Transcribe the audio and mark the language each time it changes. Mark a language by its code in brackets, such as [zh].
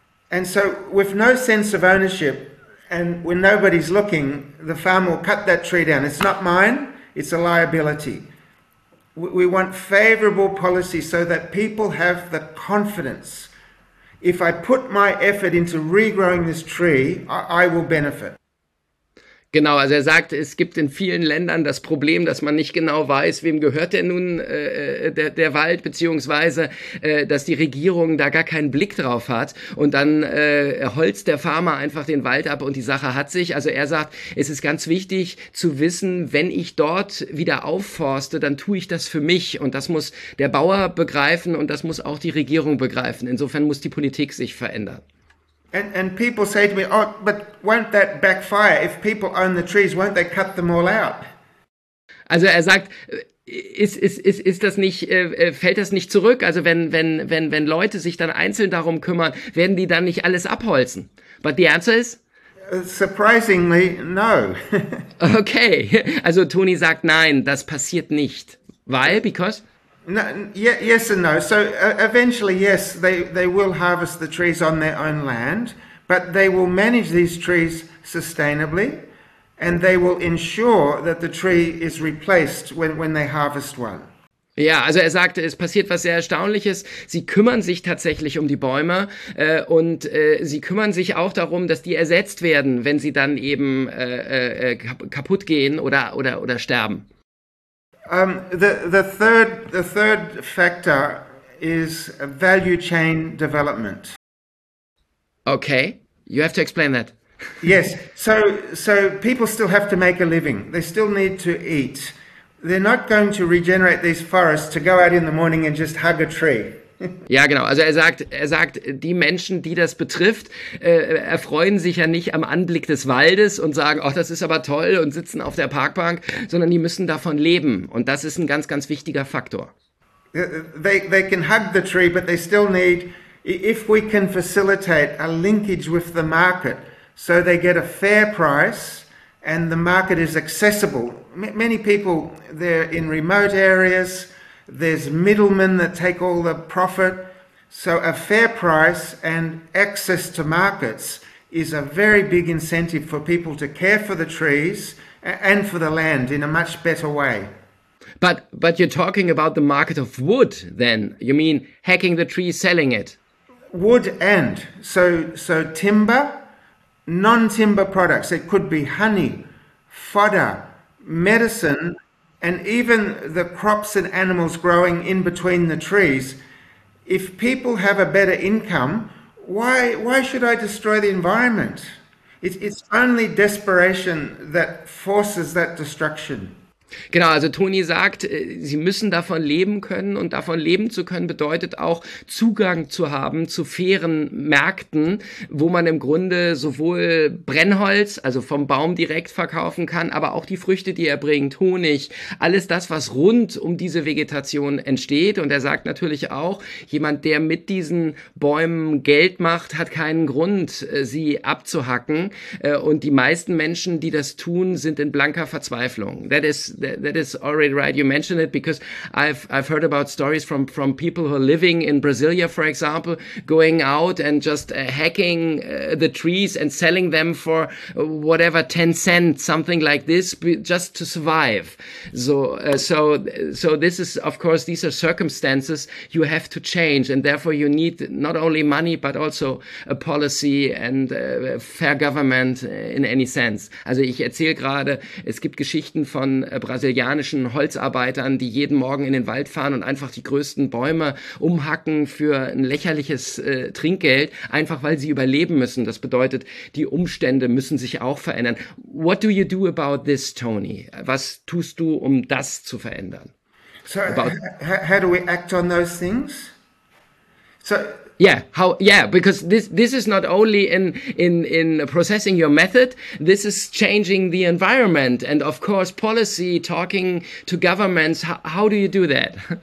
[en] And so with no sense of ownership and when nobody's looking, the farmer will cut that tree down. It's not mine, it's a liability. We want favorable policy so that people have the confidence. If I put my effort into regrowing this tree, I will benefit. [de] Genau, also er sagt, es gibt in vielen Ländern das Problem, dass man nicht genau weiß, wem gehört denn nun der Wald, beziehungsweise dass die Regierung da gar keinen Blick drauf hat und dann holzt der Farmer einfach den Wald ab und die Sache hat sich. Also er sagt, es ist ganz wichtig zu wissen, wenn ich dort wieder aufforste, dann tue ich das für mich und das muss der Bauer begreifen und das muss auch die Regierung begreifen. Insofern muss die Politik sich verändern. [en] And people say to me, oh, but won't that backfire? If people own the trees, won't they cut them all out? [de] Also er sagt, ist das nicht, fällt das nicht zurück? Also wenn Leute sich dann einzeln darum kümmern, werden die dann nicht alles abholzen? [en] But the answer is? Surprisingly, no. [de] Okay, also Tony sagt, nein, das passiert nicht. [en] Why? Because? No, yes and no. So eventually, yes, they will harvest the trees on their own land, but they will manage these trees sustainably and they will ensure that the tree is replaced when they harvest one. [de] Ja, also er sagte, es passiert was sehr Erstaunliches. Sie kümmern sich tatsächlich um die Bäume und sie kümmern sich auch darum, dass die ersetzt werden, wenn sie dann eben kaputt gehen oder sterben. [en] The third factor is value chain development. Okay, you have to explain that. Yes, so people still have to make a living. They still need to eat. They're not going to regenerate these forests to go out in the morning and just hug a tree. [de] Ja, genau. Also er sagt, die Menschen, die das betrifft, erfreuen sich ja nicht am Anblick des Waldes und sagen, ach, das ist aber toll und sitzen auf der Parkbank, sondern die müssen davon leben. Und das ist ein ganz, ganz wichtiger Faktor. [en] They can hug the tree, but they still need, if we can facilitate a linkage with the market, so they get a fair price and the market is accessible. Many people, they're in remote areas. There's middlemen that take all the profit. So a fair price and access to markets is a very big incentive for people to care for the trees and for the land in a much better way. But you're talking about the market of wood then. You mean hacking the tree, selling it? Wood and. So timber, non-timber products. It could be honey, fodder, medicine, and even the crops and animals growing in between the trees. If people have a better income, why should I destroy the environment? It's only desperation that forces that destruction. [de] Genau, also Toni sagt, sie müssen davon leben können und davon leben zu können bedeutet auch Zugang zu haben zu fairen Märkten, wo man im Grunde sowohl Brennholz, also vom Baum direkt verkaufen kann, aber auch die Früchte, die er bringt, Honig, alles das, was rund um diese Vegetation entsteht. Und er sagt natürlich auch, jemand, der mit diesen Bäumen Geld macht, hat keinen Grund, sie abzuhacken. Und die meisten Menschen, die das tun, sind in blanker Verzweiflung. [en] That is already right. You mentioned it because I've heard about stories from people who are living in Brasilia, for example, going out and just hacking the trees and selling them for whatever 10 cents, something like this, just to survive. So this is, of course, these are circumstances you have to change. And therefore, you need not only money, but also a policy and fair government in any sense. [de] Also ich erzähle gerade, es gibt Geschichten von brasilianischen Holzarbeitern, die jeden Morgen in den Wald fahren und einfach die größten Bäume umhacken für ein lächerliches Trinkgeld, einfach weil sie überleben müssen. Das bedeutet, die Umstände müssen sich auch verändern. [en] What do you do about this, Tony? [de] Was tust du, um das zu verändern? [en] So, how do we act on those things? So, because this is not only in processing your method, this is changing the environment and of course policy, talking to governments. How do you do that?